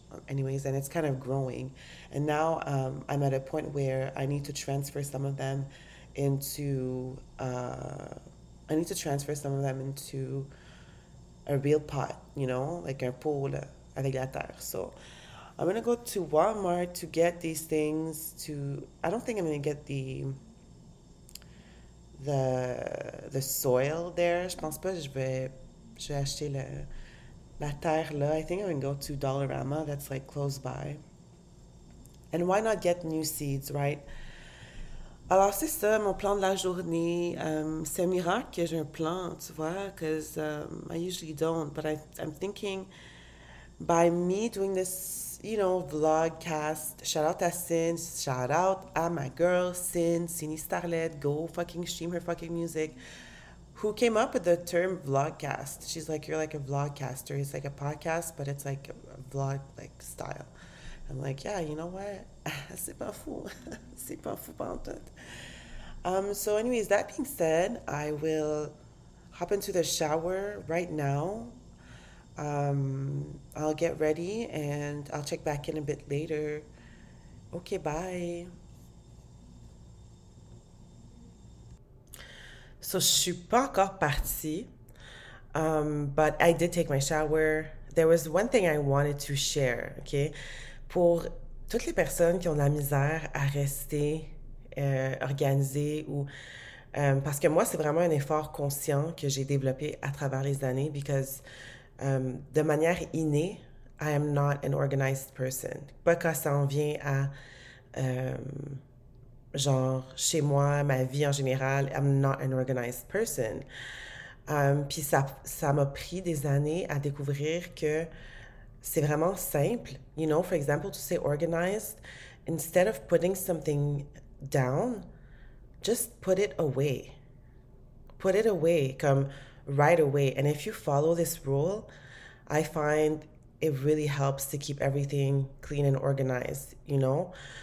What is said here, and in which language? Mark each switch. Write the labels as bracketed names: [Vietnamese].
[English] Anyways, and it's kind of growing. And now I'm at a point where I need to transfer some of them into, a real pot, you know, like [French] un pot, là, avec la terre. [English] So I'm going to go to Walmart to get these things to, I don't think I'm going to get the soil there. [French] Je pense pas que je vais acheter la terre là. [English] I think I'm going to go to Dollarama. That's like close by. And why not get new seeds, right? [French] Alors, c'est ça, mon plan de la journée. C'est un miracle que j'ai un plan, tu vois, [English] because I usually don't. But I'm thinking by me doing this, you know, vlog cast, shout out to Sin, shout out to my girl Sin, Sini Starlet, go fucking stream her fucking music, who came up with the term vlog cast. She's like, you're like a vlog caster. It's like a podcast, but it's like a vlog like style. I'm like, yeah, you know what? [French] C'est pas fou. C'est pas fou pas en tout. [English] So anyways, that being said, I will hop into the shower right now. I'll get ready and I'll check back in a bit later. Okay, bye. So, [French] je suis pas encore partie, [English] but I did take my shower. There was one thing I wanted to share, okay? [French] Pour toutes les personnes qui ont de la misère à rester organisées ou... parce que moi, c'est vraiment un effort conscient que j'ai développé à travers les années because... de manière innée, [English] I am not an organized person. [French] Pas quand ça en vient à, genre, chez moi, ma vie en général, [English] I'm not an organized person. [French] Puis ça m'a pris des années à découvrir que c'est vraiment simple. [English] You know, for example, to say organized, instead of putting something down, just put it away. Put it away, comme... right away. And if you follow this rule, I find it really helps to keep everything clean and organized, you know?